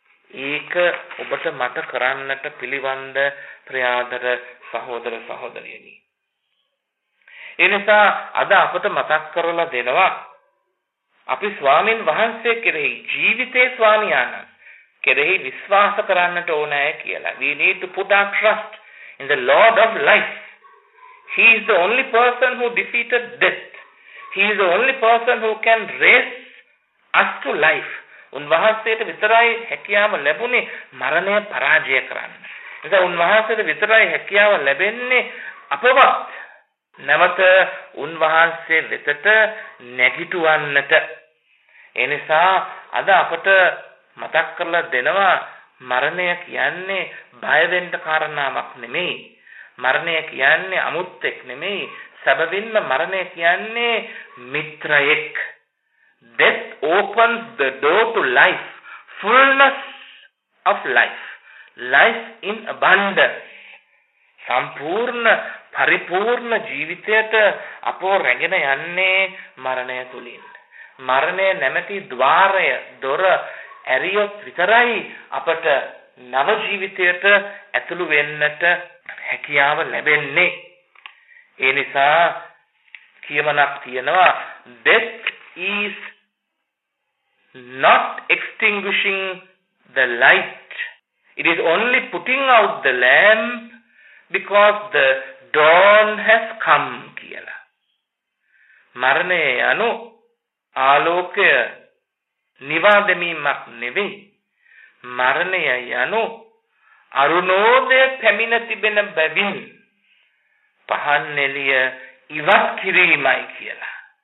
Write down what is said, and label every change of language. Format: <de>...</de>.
<si>ඒක ඔබට මට කරන්නට පිළිවන්ද ප්‍රියාදර සහෝදර සහෝදරියනි. එනිසා අද අපට මතක් කරලා දෙනවා අපි ස්වාමින් වහන්සේ කෙරෙහි, ජීවිතේ ස්වාමියාන කෙරෙහි විශ්වාස කරන්නට ඕනෑ කියලා.</si> <en>We need to put our trust in the Lord of life. He is the only person who defeated death. He is the only person who can raise us to life.</en> <si>උන්වහන්සේට විතරයි හැකියාව ලැබුණේ මරණය පරාජය කරන්න. එනිසා උන්වහන්සේට විතරයි හැකියාව ලැබෙන්නේ අපව නැවත උන්වහන්සේ වෙතට නැගිටවන්නට. එනිසා අද අපට මතක් කරලා දෙනවා මරණය කියන්නේ බය වෙන්න කාරණාවක් නෙමෙයි. මරණය කියන්නේ අමුත්තෙක් නෙමෙයි. සැබවින්ම මරණය කියන්නේ මිත්‍රයෙක්.</si> <en>Death opens the door to life, fullness of life, life in abundance.</en> <si>සම්පූර්ණ පරිපූර්ණ ජීවිතයට අපෝ රැගෙන යන්නේ මරණය තුලින්. මරණය නැමැති ద్వාරය දොර ඇරියොත් විතරයි අපට නව ජීවිතයට ඇතුළු වෙන්නට හැකියාව ලැබෙන්නේ. ඒ නිසා කියමනක් තියෙනවා,</si> <en>death is not extinguishing the light, it is only putting out the lamp because the dawn has come</en> <si>කියලා. මරණය යනු ආලෝකය නිවා දෙමීමක් නෙවෙයි, මරණය යනු අරුණෝදය පැමිණ තිබෙන බැවින් පහන් එළිය ඉවත් කිරීමයි කියලා.</si>